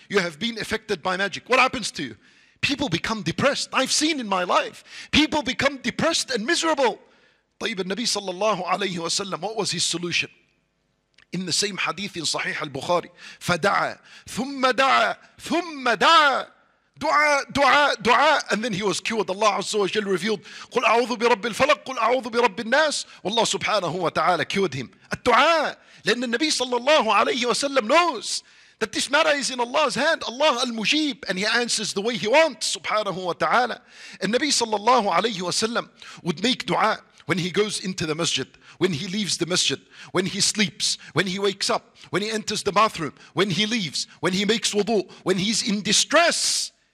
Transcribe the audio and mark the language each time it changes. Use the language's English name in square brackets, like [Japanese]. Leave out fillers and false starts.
[English] You have been affected by magic. What happens to you? People become depressed. I've seen in my life, people become depressed and miserable. [Arabic] طيب النبي صلى الله عليه وسلم, [English] what was his solution? In the same hadith in Sahih al-Bukhari, [Arabic] فدعا ثم دعا ثم دعا دعا [English] دعا دعا, and then he was cured. [Arabic] Allah عز وجل revealed, قل أعوذ برب الفلق قل أعوذ برب الناس, والله سبحانه وتعالى [English] cured him. [Arabic] الدعاء, لأن النبي صلى الله عليه وسلم [English] knows that this matter is in Allah's hand, Allah al-Mujib, and he answers the way he wants, subhanahu wa ta'ala. And Nabi sallallahu alayhi wa sallam would make dua when he goes into the masjid, when he leaves the masjid, when he sleeps, when he wakes up, when he enters the bathroom, when he leaves, when he makes wudu, when he's in distress.